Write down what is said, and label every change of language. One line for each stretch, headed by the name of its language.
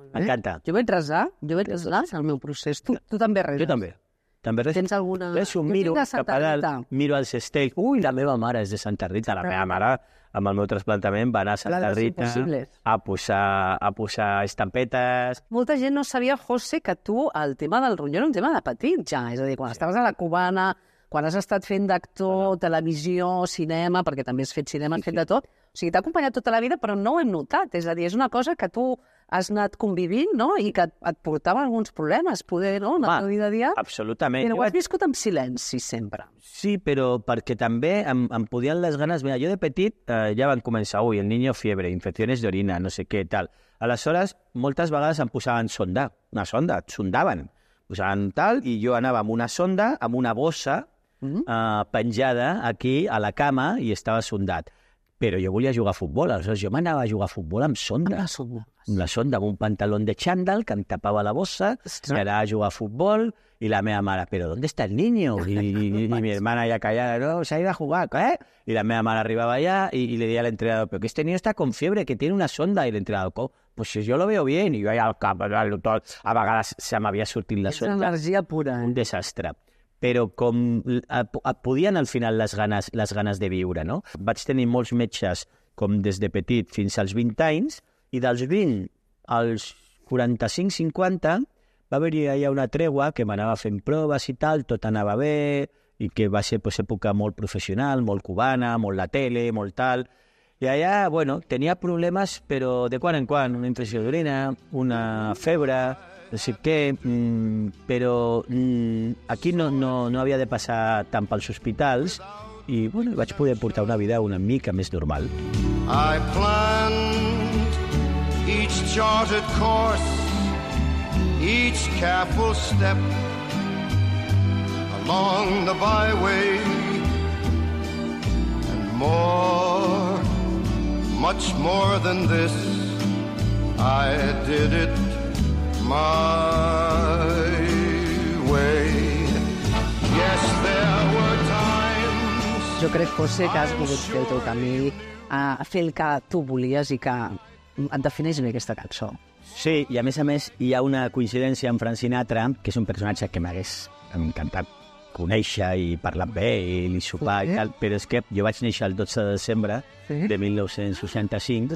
Catalan: M'encanta. Jo vaig resar en el meu procés. Tu també reses. Jo també. També reses. Tens alguna... Reso, miro cap a dalt, miro els estels. Ui, la meva mare és de Santa Rita. La meva mare, amb el meu trasplantament, va anar a Santa Rita a posar estampetes. Molta gent no sabia, José, que tu el tema del ronyó era un tema de petit, ja. És a dir, quan estaves a la Cubana, quan has estat fent d'actor, televisió, cinema, perquè també has fet cinema, has fet de tot. O sigui, t'ha acompanyat tota la vida, però no ho hem notat. És a dir, és una cosa que tu has anat convivint, no?, i que et portava alguns problemes, poder, no?, en el teu dia a dia. Absolutament. Però ho has viscut en silenci, sempre. Sí, però perquè també em podien les ganes... Mira, jo de petit ja van començar,
Spanish: el niño fiebre, infecciones de orina,
Catalan: no sé què, tal. Aleshores, moltes vegades em posaven sonda, una sonda, et sondaven. Posaven tal, i jo anava amb una sonda, amb una bossa, penjada aquí, a la cama, i estava sondat. Però jo volia jugar a futbol, aleshores jo m'anava a jugar a futbol amb sonda. Amb la sonda. Amb la sonda, amb un pantaló de xandall que em tapava la bossa, que era a jugar a futbol, i la meva mare, però
Spanish: ¿dónde está el niño? I mi hermana ja callada, no, se ha ido a jugar, ¿qué?
Catalan: I la meva mare arribava allà i li deia a l'entrenador, però
Spanish: que este niño está con fiebre, que tiene una sonda.
Catalan: I l'entrenador,
Spanish: pues si yo lo veo bien.
Catalan: I jo allà al cap, a vegades se m'havia sortit la sonda. És energia pura. Un desastre. Però com et podien al final les ganes de viure, no? Vaig tenir molts metges com des de petit fins als 20 anys i dels 20 als 45-50 va haver-hi allà una tregua que m'anava fent proves i tal, tot anava bé i que va ser pues, època molt professional, molt cubana, molt la tele, molt tal. I allà, bueno, tenia problemes, però de quan en quan, una infecció d'orina, una febre... O sigui que, però aquí no havia de passar tant pels hospitals i bueno, vaig poder portar una vida una mica més normal.
English: I planned each charted course, each careful step along the byway and more, much more than this, I did it my way. Yes, there were times.
Catalan: Jo crec, José, que has pogut fer el teu camí a fer el que tu volies i que et defineix bé aquesta cançó. Sí, i a més hi ha una coincidència amb Frank Sinatra, que és un personatge que m'hagués encantat conèixer i parlar bé i sopar i tal, però és que jo vaig néixer el 12 de desembre de 1965.